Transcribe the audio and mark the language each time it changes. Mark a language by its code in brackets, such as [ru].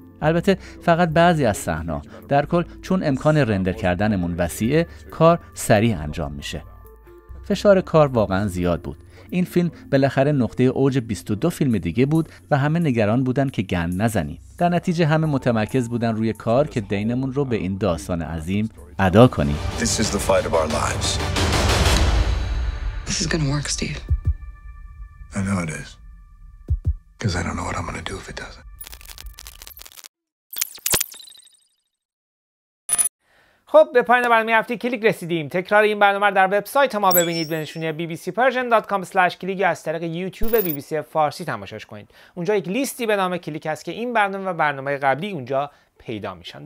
[fa] البته فقط بعضی از صحنه‌ها. در کل چون امکان رندر کردنمون وسیعه، کار سریع انجام میشه. فشار کار واقعا زیاد بود. این فیلم بالاخره نقطه اوج 22 فیلم دیگه بود و همه نگران بودن که گند نزنی. در نتیجه همه متمرکز بودن روی کار که دینمون رو به این داستان عظیم ادا کنیم. [en] This is the fight of our lives. This is gonna work, Steve. I know it is. Cuz I don't know what I'm gonna do if it doesn't. [fa] خب به پایان برنامه هفته کلیک رسیدیم. تکرار این برنامه رو در وبسایت ما ببینید به نشونی bbcpersian.com/click یا از طریق یوتیوب BBC فارسی تماشاش کنید. اونجا یک لیستی به نام کلیک هست که این برنامه و برنامه قبلی اونجا پیدا میشن.